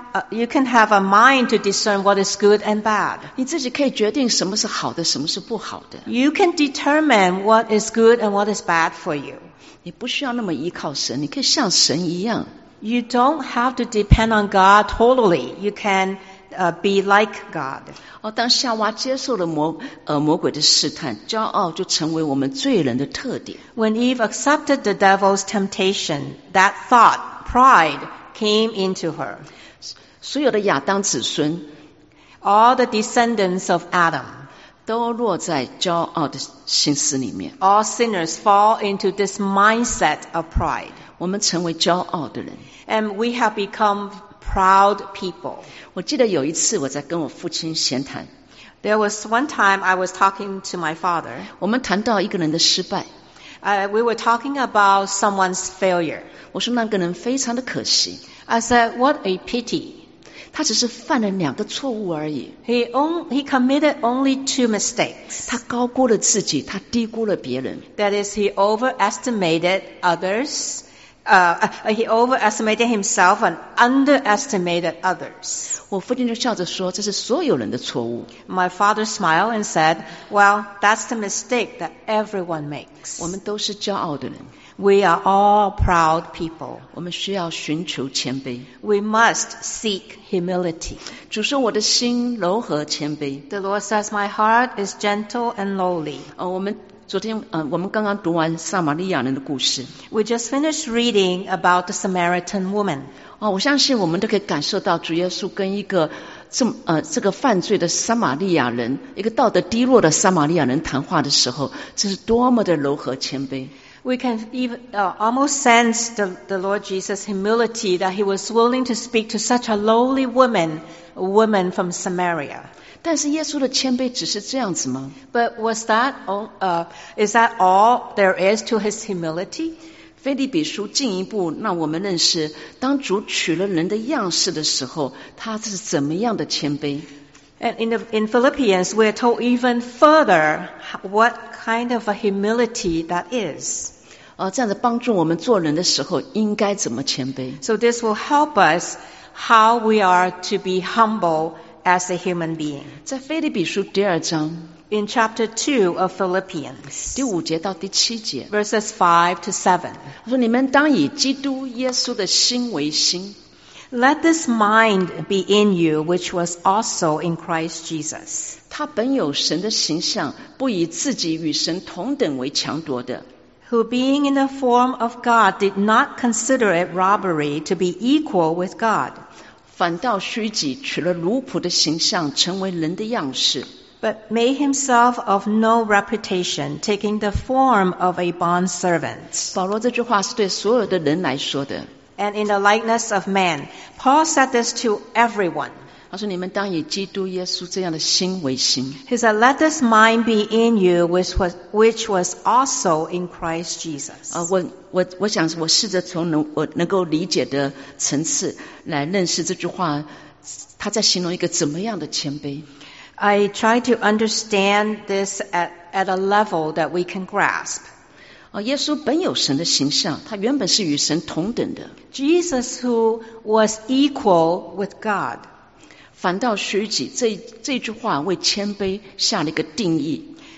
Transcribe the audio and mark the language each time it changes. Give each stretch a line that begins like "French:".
English: You can have a mind to discern what is good and bad.
Chinese: 你自己可以决定什么是好的，什么是不好的。
English: You can determine what is good and what is bad for you.
Chinese: 你不需要那么依靠神，你可以像神一样。
English: You don't have to depend on God totally. You can,be like God.
Chinese: 当夏娃接受了 魔鬼的试探，骄傲就成为我们罪人的特点。
English: When Eve accepted the devil's temptation, that thought, pride, came into her.
Chinese: 所有的亚当子孙
English: All the descendants of Adam
Chinese: 都落在骄傲的心思里面。
English: All sinners fall into this mindset of pride.
Chinese: 我们成为骄傲的人。
English: And we have become proud people.
Chinese: 我记得有一次我在跟我父亲闲谈。
English: There was one time I was talking to my father.
Chinese: 我们谈到一个人的失败。
English: We were talking about someone's failure.
Chinese: 我说那个人非常的可惜。
English: I said, what a pity.
Chinese: 他只是犯了两个错误而已。
English: He committed only two mistakes.
Chinese: 他高估了自己，他低估了别人。
English: That is, he overestimated others. He overestimated himself and underestimated others.
Chinese: 我父亲就笑着说，这是所有人的错误。
English: My father smiled and said, well, that's the mistake that everyone makes.
Chinese: 我们都是骄傲的人。
English: We are all proud people.
Chinese: 我们需要寻求谦卑。
English: We must seek humility.
Chinese: 主说我的心柔和谦卑。
English: The Lord says my heart is gentle and lowly.
Chinese: 我们刚刚读完撒玛利亚人的故事。
English: We just finished reading about the Samaritan woman.
Chinese: 我相信我们都可以感受到主耶稣跟一个这个犯罪的撒玛利亚人，一个道德低落的撒玛利亚人谈话的时候，这是多么的柔和谦卑。
English: We can almost sense the Lord Jesus' humility that he was willing to speak to such a lowly woman, a woman from Samaria.
Chinese: 但是耶稣的谦卑只是这样子吗？
English: But was that all, is that all there is to his humility?
Chinese: 腓立比书进一步让我们认识，当主取了人的样式的时候，他是怎么样的谦卑。
English: And in Philippians, we're told even further what kind of a humility that is.
Chinese: 这样子帮助我们做人的时候应该怎么谦卑。
English: So this will help us how we are to be humble as a human being.
Chinese: 在腓立比书第二章。
English: In chapter 2 of Philippians.
Chinese: 第五节到第七节。
English: Verses 5 to 7.
Chinese: 我说你们当以基督耶稣的心为心。
English: Let this mind be in you, which was also in Christ Jesus.
Chinese: 他本有神的形象，不以自己与神同等为强夺的。
English: Who being in the form of God did not consider it robbery to be equal with God.
Chinese: 反倒虚己，取了奴仆的形象，成为人的样式。
English: But made himself of no reputation, taking the form of a bondservant.
Chinese: 保罗这句话是对所有的人来说的。
English: And in the likeness of man, Paul said this to everyone.
Chinese: 他说你们当以基督耶稣这样的心为心。
English: He said, let this mind be in you, which was also in Christ Jesus.
Chinese: 我想我试着从我能够理解的层次来认识这句话，他在形容一个怎么样的谦卑。
English: I try to understand this at a level that we can grasp.
Chinese: 耶稣本有神的形象，他原本是与神同等的。
English: Jesus who was equal with God.
Chinese: 反倒虚己，这句话为谦卑下了一个定义。